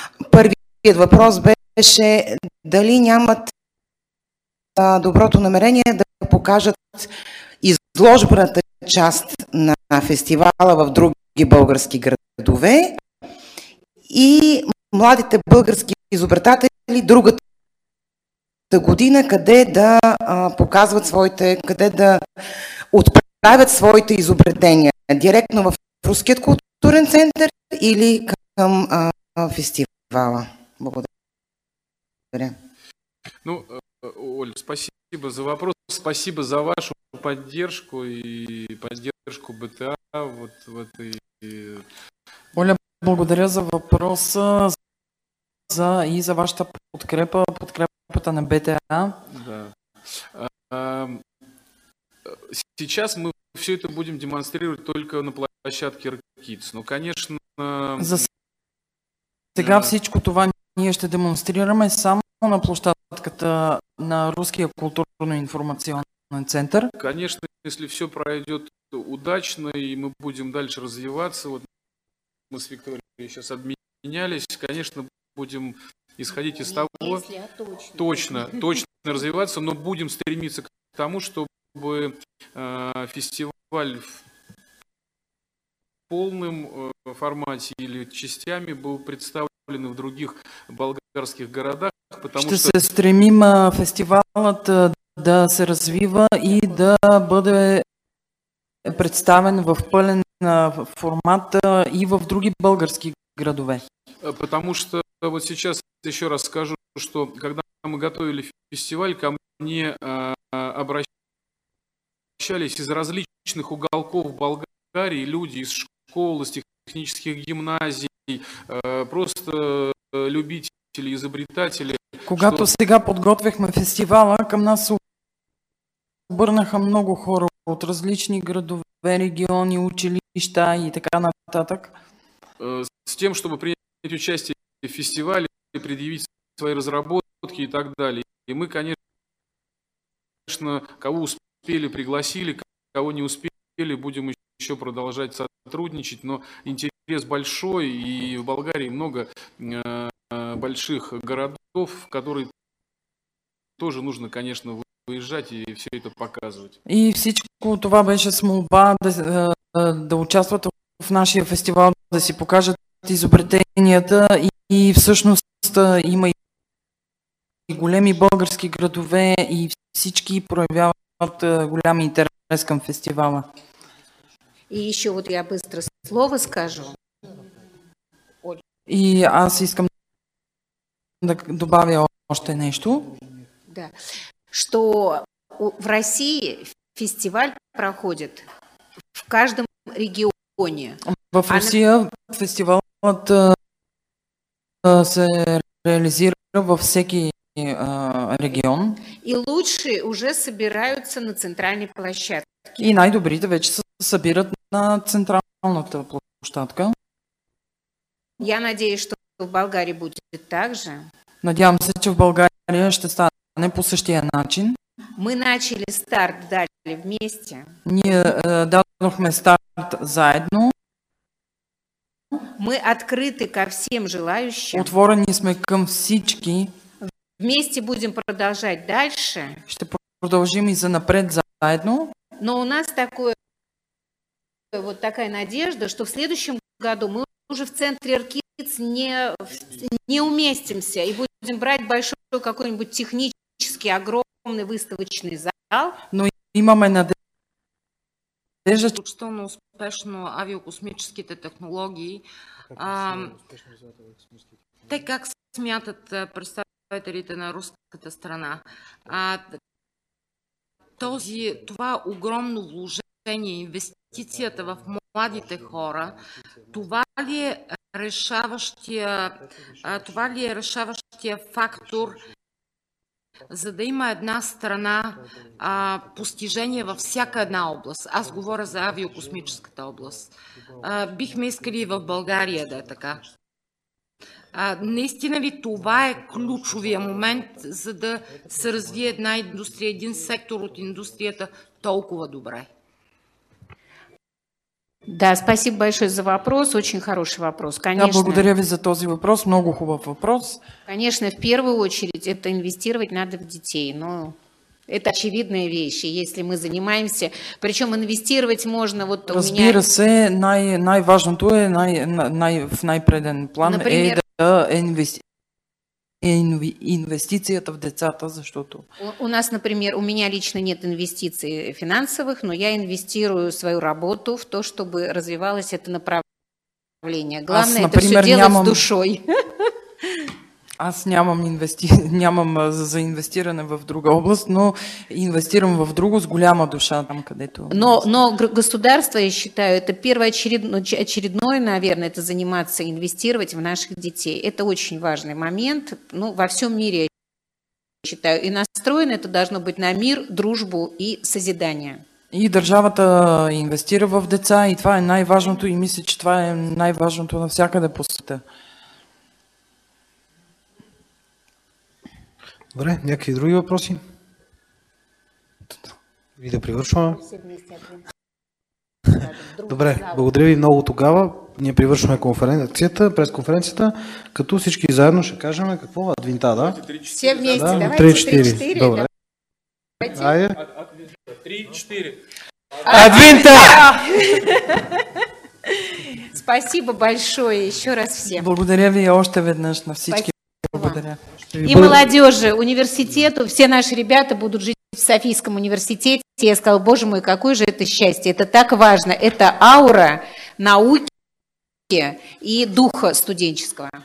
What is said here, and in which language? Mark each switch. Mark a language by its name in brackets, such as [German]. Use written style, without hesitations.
[Bulgarian] Първият въпрос беше дали нямат доброто намерение да покажат изложбената част на фестивала в други български градове и младите български изобретатели другата година, къде да показват своите, къде да отправят своите изобретения? Директно в Руският културен център или към фестивала? Благодаря. [Russian] Ну, Оль, спасибо за вопрос, спасибо за вашу поддержку и поддержку БТА. Вот, вот и... [Bulgarian] Оля, благодаря за вопроса и за вашата подкрепа на БТА. Да. [Russian] Сейчас мы все это будем демонстрировать только на площадке РКИЦ. Но, конечно... [Bulgarian] За сега всичко това ние ще демонстрираме само на площадката на Русския културно-информационен център? [Russian] Конечно, если все пройдет удачно и мы будем дальше развиваться, вот мы с Викторией сейчас обменялись, конечно, будем исходить из того, точно развиваться, но будем стремиться к тому, чтобы фестиваль в полном формате или частями был представлен в других болгарских городах. Потому что [Bulgarian] се стремим фестивалът да се развива и да бъде представен в пълен формат и в други български градове. [Russian] Потому что вот сейчас еще раз скажу, что когда мы готовили фестиваль, ко мне обращались из различных уголков Болгарии люди из школ, из технических гимназий, просто любители, изобретатели. [Bulgarian] Когато сега подготвихме фестивала, към нас се обърнаха много хора от различни градове, региони, училища и така нататък. [Russian] С тем, чтобы принять участие в фестивале, предъявить свои разработки и так далее. И мы, конечно, кого успели, пригласили, кого не успели, будем еще продолжать сотрудничать, но интерес большой, и в Болгарии много больших городов, в которые тоже нужно, конечно, выезжать и все это показывать. [Bulgarian] И всичко това беше с молба да участват в нашия фестивал, да си покажат изобретенията и всъщност има и големи български градове и всички проявяват голям интерес към фестивала. [Russian] И еще вот я быстро слово скажу. [Bulgarian] И аз искам да добавя още нещо. [Russian] Да. Что в России фестиваль проходит в каждом регионе. [Bulgarian] В Русия фестивалът се реализира во всеки регион. [Russian] И лучшие уже собираются на центральной площадке. [Bulgarian] И най-добрите вече се събират на централната площадка. [Russian] Я надеюсь, что в Болгарии будет так же. [Bulgarian] Надявам се, че в България ще стане по същия начин. [Russian] Мы начали старт дали вместе. [Bulgarian] Ние дадохме старт заедно. [Russian] Мы открыты ко всем желающим. [Bulgarian] Отворени сме към всички. [Russian] Вместе будем продолжать дальше. [Bulgarian] Ще продължим и занапред заедно. [Russian] Но у нас такое, вот такая надежда, что в следующем году мы уже в центре РКИЦ не уместимся и будем брать большой какой-нибудь технический огромный выставочный зал. [Bulgarian] Но имаме надежда. Включително успешно авиокосмическите технологии. Те как смятат представителите на руската страна? Това огромно вложение, инвестицията в младите хора, това ли е решаващия фактор, за да има една страна постижение във всяка една област. Аз говоря за авиокосмическата област. Бихме искали и в България да е така. Наистина ли това е ключовия момент, за да се развие една индустрия, един сектор от индустрията толкова добре? [Russian] Да, спасибо большое [Bulgarian] за въпрос, [Russian] очень хороший въпрос. Конечно. [Bulgarian] Да, благодаря ви за този въпрос, много хубав въпрос. [Russian] Конечно, в первую очередь это инвестировать надо в детей, но это очевидная вещь, если мы занимаемся, причем инвестировать можно вот у меня... [Bulgarian] Разбира се, най-важното е, в най-преден план, например, инвестицията в децата, защото... [Russian] У нас, например, у меня лично нет инвестиций финансовых, но я инвестирую свою работу в то, чтобы развивалось это направление. Главное, например, это все делать с душой. [Bulgarian] Аз нямам за инвестиране в друга област, но инвестирам в друго с голяма душа там, където... [Russian] Но государство, я считаю, это первоочередное, наверное, это заниматься, инвестировать в наших детей. Это очень важный момент, ну, во всем мире, я считаю. И настроено это должно быть на мир, дружбу и созидание. [Bulgarian] И държавата инвестира в деца, и това е най-важното, и мисля, че това е най-важното навсякъде по света. Добре, някакви други въпроси? И да привършваме. Добре, благодаря ви много тогава. Ние привършваме конференцията, пресконференцията, като всички заедно ще кажем какво? Адвинта, да? [Russian] 3-4. Все вместе, давайте 3-4. [Bulgarian] Добре. Айде. 3-4. Адвинта! [Russian] Спасибо большое еще раз всем. [Bulgarian] Благодаря ви още веднъж на всички. Благодаря. [Russian] И молодежи университету, все наши ребята будут жить в Софийском университете. Я сказала, боже мой, какое же это счастье, это так важно. Это аура науки и духа студенческого.